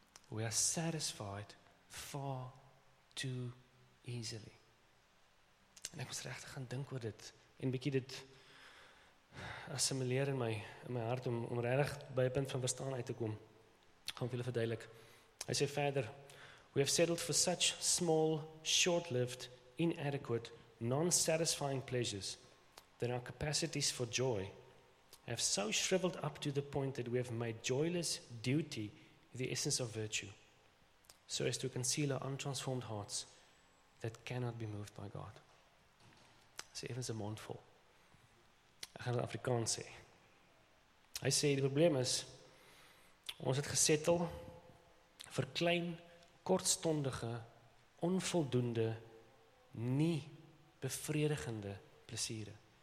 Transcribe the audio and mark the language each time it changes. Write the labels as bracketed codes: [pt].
[en] We are satisfied far too easily. [af] En ek moes regtig gaan dink oor dit en bietjie dit assimileer in my hart om regtig by 'n punt van verstaan uit te kom. Gaan veel verduidelik. Hy sê verder, [en] we have settled for such small, short-lived, inadequate, non-satisfying pleasures that our capacities for joy have so shriveled up to the point that we have made joyless duty the essence of virtue, so as to conceal our untransformed hearts that cannot be moved by God. [af] Sê evens 'n mondvol. Ek gaan dit Afrikaans sê. Hy sê, die probleem is, ons het gesettel vir klein, kortstondige, onvoldoende, nie bevredigende plesiere.